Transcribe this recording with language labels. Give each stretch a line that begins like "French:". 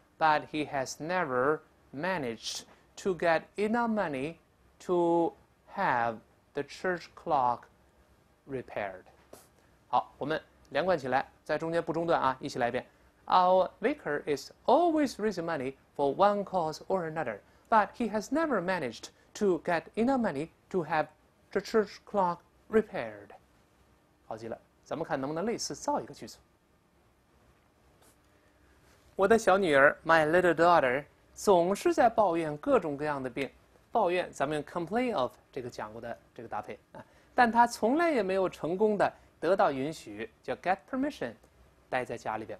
English: but he has never managed to get enough money to have the church clock repaired。
Chinese: 好，我们连贯起来，在中间不中断啊，一起来一遍。
English: Our vicar is always raising money for one cause or another, but he has never managed to get enough money to have the church clock repaired.
Chinese: 好极了，咱们看能不能类似造一个句子。我的小女儿 ，
English: my little daughter，
Chinese: 总是在抱怨各种各样的病。抱怨，咱们用
English: complain of
Chinese: 这个讲过的这个搭配啊，但她从来也没有成功的得到允许，叫
English: get permission，
Chinese: 待在家里边。